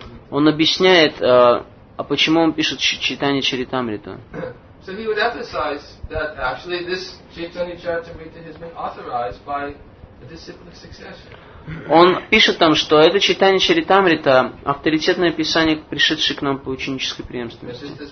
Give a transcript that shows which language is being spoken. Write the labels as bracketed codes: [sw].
[ru] Он объясняет, а почему он пишет читание Чаритамриту. [en] So he would emphasize that actually this Chaitanya Charitamrita has been authorized by a disciplic succession. [ru] Он пишет там, что это читание Чаритамрита — авторитетное писание, пришедшее к нам по ученической преемственности.